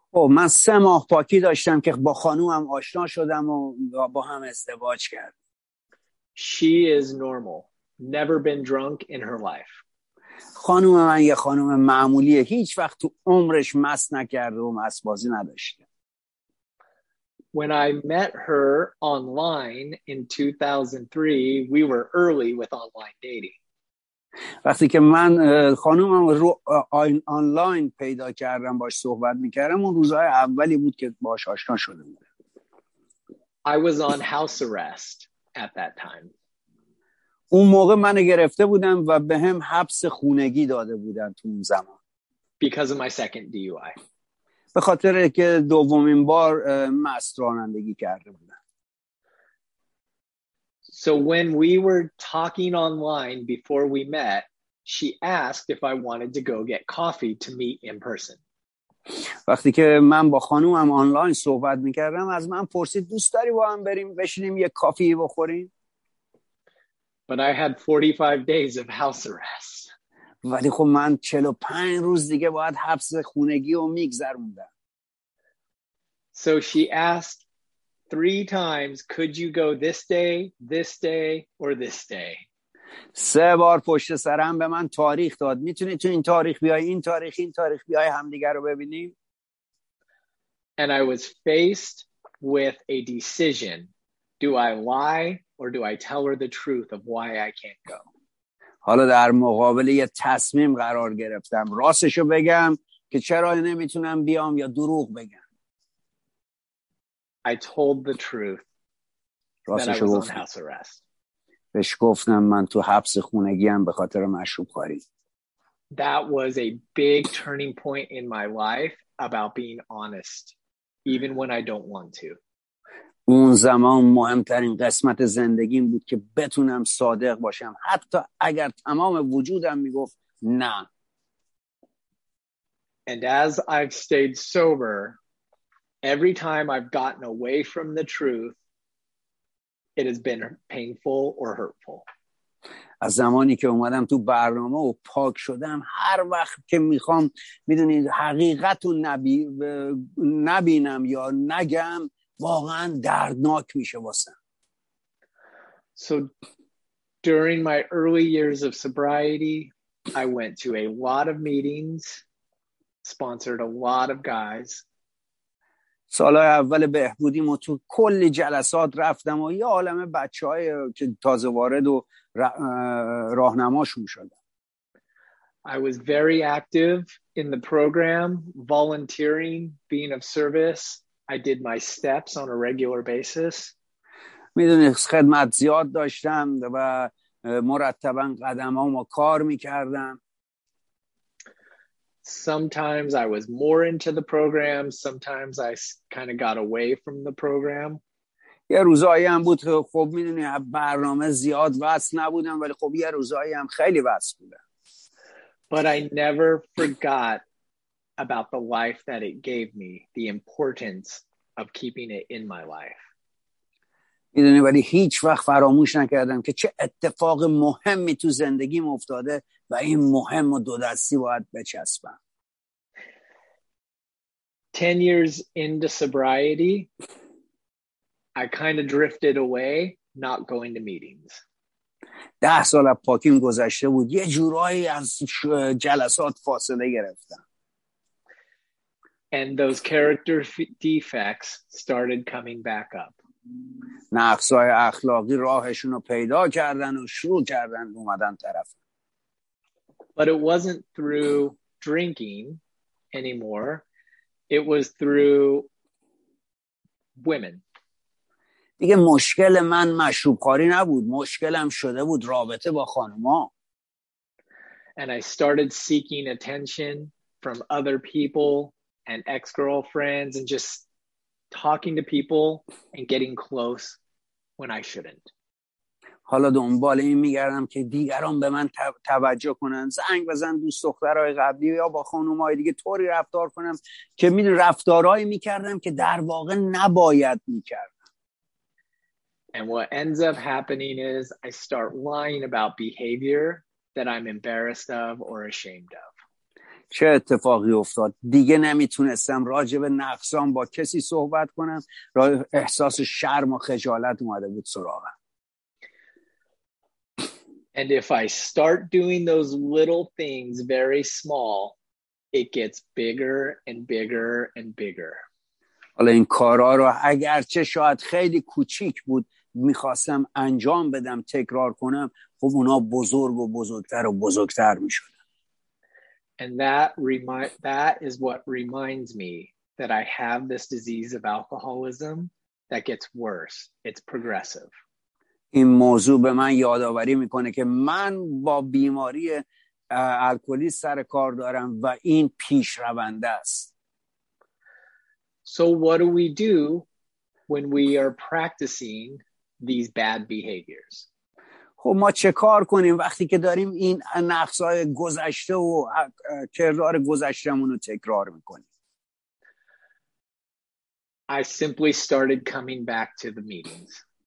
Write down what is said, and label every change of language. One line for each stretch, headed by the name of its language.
Persian: من 3 ماه پاکی داشتم که با خانومم آشنا شدم و با هم ازدواج کرد.
English: She is normal. Never been drunk in her life.
Persian: خانوم من یه خانوم معمولیه، هیچ وقت تو عمرش مست نکرده و مست بازی نداشته.
English: When I met her online in 2003, we were early with online dating.
Persian: وقتی که من خانومم رو آنلاین پیدا کردم باش صحبت میکردم، اون روزهای اولی بود که باش آشنا شده بود.
English: I was on house arrest at that time.
Persian: اون موقع منو گرفته بودن و به هم حبس خونگی داده بودن تو اون زمان.
English: Because of my second DUI.
Persian: به خاطر که دومین بار مست رانندگی کرده بودن.
English: So when we were talking online before we met, she asked if I wanted to go get coffee to meet in person.
Persian: وقتی که من با خانومم آنلاین صحبت میکردم، از من پرسید دوست داری با هم بریم بشینیم یه کافی بخوریم؟
English: But I had 45 days of house arrest.
Persian: ولی خب من 45 روز دیگه باید حبس خونگی رو میگذروندم.
English: So she asked 3 times, could you go this day, or this day?
Persian: 3 بار پشت سرم به من تاریخ داد. میتونی تو این تاریخ بیای، این تاریخ، این تاریخ بیای، همدیگر رو ببینیم.
English: And I was faced with a decision. Do I lie or do I tell her the truth of why I can't go?
Persian: حالا در مقابل یه تصمیم قرار گرفتم. راستشو بگم که چرا نمیتونم بیام یا دروغ بگم.
English: I told the truth that I was on house arrest.
Persian: بهش گفتم من تو حبس خونگیم به خاطر مشروب خوری.
English: That was a big turning point in my life about being honest, even when I don't want to.
Persian: اون زمان مهمترین قسمت زندگیم بود که بتونم صادق باشم، حتی اگر تمام وجودم میگفت نه.
English: And as I've stayed sober, every time I've gotten away from the truth, it has been painful or hurtful.
Persian: از زمانی که اومدم تو برنامه و پاک شدم، هر وقت که میخوام میدونید حقیقت رو نبینم یا نگم، واقعا دردناک میشه واسم.
English: So during my early years of sobriety, I went to a lot of meetings, sponsored a lot of guys.
Persian: سالهای اول بهبودیم و تو کلی جلسات رفتم و یه عالمه بچه های که تازه وارد و راهنماشون شدم.
English: I was very active in the program, volunteering, being of service. I did my steps on a regular basis.
Persian: میدونی خدمت زیاد داشتم و مرتبا قدمام و کار میکردم.
English: Sometimes I was more into the program. Sometimes I kind of got away from the program.
Persian: یه روزایی هم بود که خب میدونی برنامه زیاد وصل نبودم، ولی خب یه روزایی هم خیلی وصل بودم.
English: But I never forgot about the life that it gave me, the importance of keeping it in my life.
Persian: میدونی ولی هیچ وقت فراموش نکردم که چه اتفاق مهمی تو زندگیم افتاده و این مهم و دو دستی باید بچسبم.
English: 10 years into sobriety, I kind of drifted away, not going to meetings.
Persian: 10 سال از پاکیم گذشته بود، یه جورایی از جلسات فاصله گرفتم.
English: And those character defects started coming back up.
Persian: نقصهای اخلاقی راهشون رو پیدا کردن و شروع کردن اومدن طرف.
English: But it wasn't through drinking anymore. It was through women.
Persian: دیگه مشکل من مشروبخوری نبود. مشکلم شده بود رابطه با خانوما.
English: And I started seeking attention from other people and ex-girlfriends and just talking to people and getting close when I shouldn't.
Persian: حالا دنبال این میگردم که دیگران به من توجه کنن، زنگ بزن دوست دخترهای قبلی یا با خانومهای دیگه طوری رفتار کنم که میدون رفتارهایی میکردم که در واقع نباید میکردم.
English: And what ends up happening is I start lying about behavior that I'm embarrassed of or ashamed of.
Persian: چه اتفاقی افتاد؟ دیگه نمیتونستم راجع به نقصان با کسی صحبت کنم، احساس شرم و خجالت اومده بود سراغم.
English: And if I start doing those little things very small, it gets bigger and bigger and bigger.
Persian: حالا این کارا رو اگرچه شاید خیلی کوچیک بود میخواستم انجام بدم، تکرار کنم، خب اونا بزرگ و بزرگتر و بزرگتر میشد.
English: And that is what reminds me that I have this disease of alcoholism that gets worse. It's progressive.
Persian: این موضوع به من یادآوری میکنه که من با بیماری الکلی سر کار دارم و این پیشرونده است.
English: So what do we do when we are practicing these bad behaviors?
Persian: و ما چه کار کنیم وقتی که داریم این نقصهای گذشته و کردار گذشتمون رو تکرار میکنیم؟
English: I simply started coming back to the meetings.